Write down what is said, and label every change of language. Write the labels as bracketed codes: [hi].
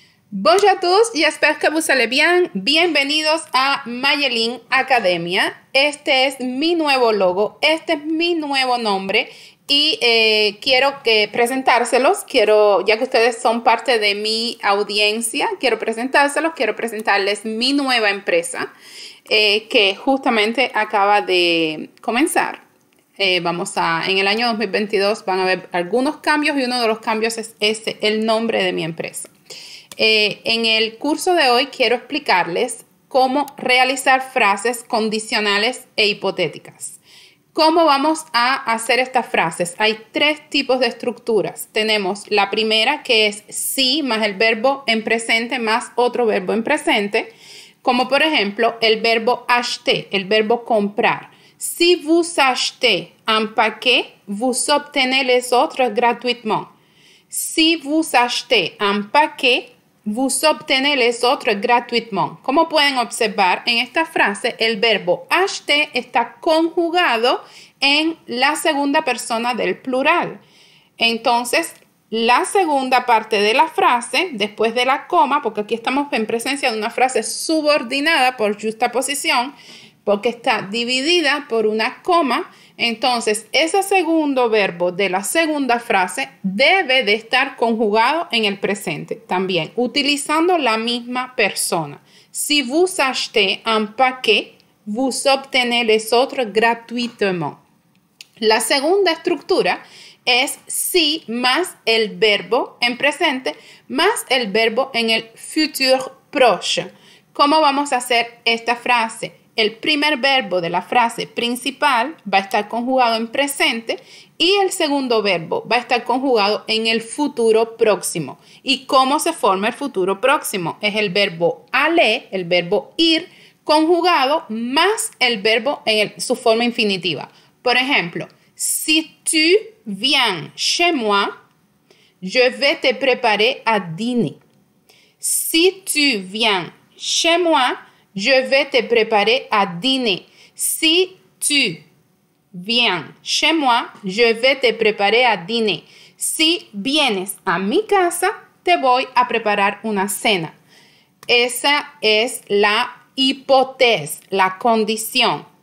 [fr] Bonjour à tous, j'espère que vous allez bien. [es] Bienvenidos a Mayelin Academia. Este es mi nuevo logo, este es mi nuevo nombre y quiero que presentárselos. Quiero, ya que ustedes son parte de mi audiencia, quiero presentárselos, quiero presentarles mi nueva empresa que justamente acaba de comenzar. Vamos a, en el año 2022 van a haber algunos cambios y uno de los cambios es este, el nombre de mi empresa. En el curso de hoy quiero explicarles cómo realizar frases condicionales e hipotéticas. ¿Cómo vamos a hacer estas frases? Hay tres tipos de estructuras. Tenemos la primera, que es sí más el verbo en presente más otro verbo en presente. Como por ejemplo, el verbo acheter, el verbo comprar. [fr] Si vous achetez un paquet, vous obtenez les autres gratuitement. Si vous achetez un paquet, vous obtenez les autres gratuitement. [es] Como pueden observar, en esta frase el verbo acheter está conjugado en la segunda persona del plural. Entonces, la segunda parte de la frase, después de la coma, porque aquí estamos en presencia de una frase subordinada por juxtaposición, porque está dividida por una coma, entonces ese segundo verbo de la segunda frase debe de estar conjugado en el presente también, utilizando la misma persona. [fr] Si vous achetez un paquet, vous obtenez les autres gratuitement. [es] La segunda estructura es si más el verbo en presente más el verbo en el futur proche. ¿Cómo vamos a hacer esta frase? El primer verbo de la frase principal va a estar conjugado en presente y el segundo verbo va a estar conjugado en el futuro próximo. ¿Y cómo se forma el futuro próximo? Es el verbo aller, el verbo ir, conjugado más el verbo en su forma infinitiva. Por ejemplo, [fr] si tu viens chez moi, je vais te préparer à dîner. Si tu viens chez moi, je vais te préparer à dîner. Si tu viens chez moi, je vais te préparer à dîner. [es] Si vienes a mi casa, te voy a preparar una cena. Esa es la hipótesis, la condición.